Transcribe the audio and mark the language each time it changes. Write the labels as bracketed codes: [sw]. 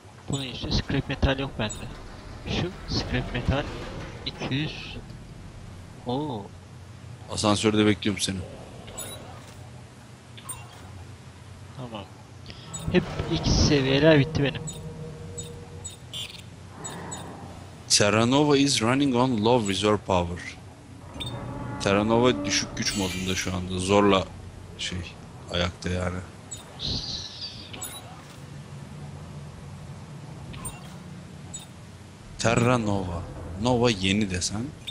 [tr] Bunun için işte scrap metal yok bende. Şu scrap metal 200. Oo. Asansörde bekliyorum seni. Tamam. Hep X seviyeler bitti benim. [en] Terranova is running on low reserve power. [tr] Terranova düşük güç modunda şu anda. Zorla şey ayakta yani. Terra Nova. Nova yeni desen.